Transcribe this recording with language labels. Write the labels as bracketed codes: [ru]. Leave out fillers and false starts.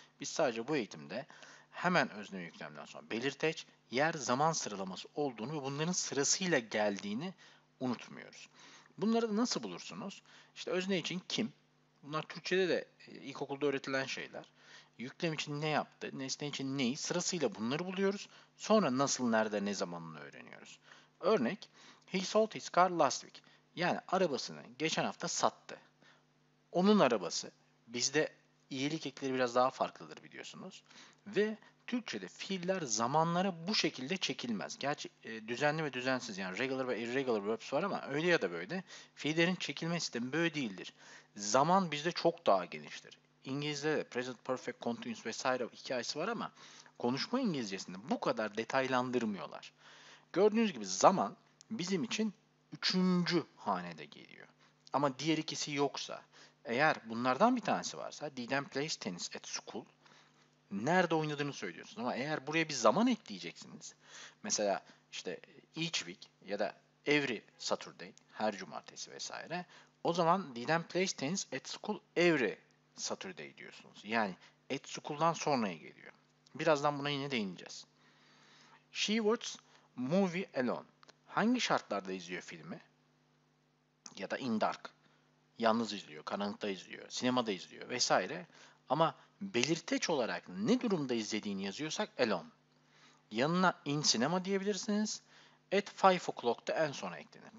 [tr] Biz sadece bu eğitimde hemen özne yüklemden sonra belirteç, yer, zaman sıralaması olduğunu ve bunların sırasıyla geldiğini unutmuyoruz. Bunları da nasıl bulursunuz? İşte özne için kim? Bunlar Türkçe'de de ilkokulda öğretilen şeyler. Yüklem için ne yaptı? Nesne için neyi? Sırasıyla bunları buluyoruz. Sonra nasıl, nerede, ne zamanını öğreniyoruz. Örnek, [en] he sold his car last week. [tr] Yani arabasını geçen hafta sattı. Onun arabası, bizde iyilik ekleri biraz daha farklıdır biliyorsunuz. Ve Türkçe'de fiiller zamanlara bu şekilde çekilmez. Gerçi düzenli ve düzensiz yani regular ve irregular verbs var ama öyle ya da böyle fiillerin çekilme sistemi böyle değildir. Zaman bizde çok daha geniştir. İngilizce'de de present perfect continuous vesaire hikayesi var ama konuşma İngilizcesinde bu kadar detaylandırmıyorlar. Gördüğünüz gibi zaman bizim için üçüncü hanede geliyor. Ama diğer ikisi yoksa, eğer bunlardan bir tanesi varsa, [en] Didem plays tennis at school. [tr] Nerede oynadığını söylüyorsunuz ama eğer buraya bir zaman ekleyeceksiniz, mesela işte [en] each week [tr] ya da [en] every Saturday, [tr] her cumartesi vesaire, o zaman [en] Didem plays tennis at school every Saturday [tr] diyorsunuz. Yani at school'dan sonraya geliyor. Birazdan buna yine değineceğiz. [en] She watches movie alone. [tr] Hangi şartlarda izliyor filmi? Ya da [en] in dark. [tr] Yalnız izliyor, karanlıkta izliyor, sinemada izliyor vesaire. Ama belirteç olarak ne durumda izlediğini yazıyorsak alone. Yanına [en] in cinema [tr] diyebilirsiniz. [en] At 5 o'clock'ta [tr] en sona eklenir.